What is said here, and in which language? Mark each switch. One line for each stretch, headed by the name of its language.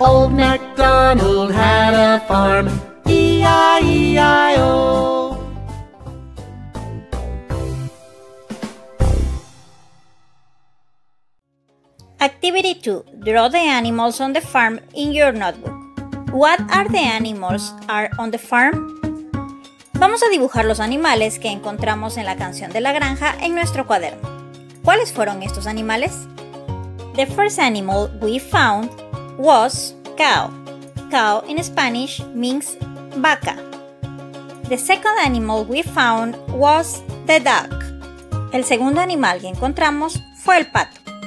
English: Old MacDonald had a farm, E-I-E-I-O. Activity 2. Draw the animals on the farm in your notebook. What are the animals are on the farm?
Spanish: Vamos a dibujar los animales que encontramos en la canción de la granja en nuestro cuaderno. ¿Cuáles fueron estos animales?
English: The first animal we found was cow. Cow in Spanish means vaca. The second animal we found was the duck.
Spanish: El segundo animal que encontramos fue el pato.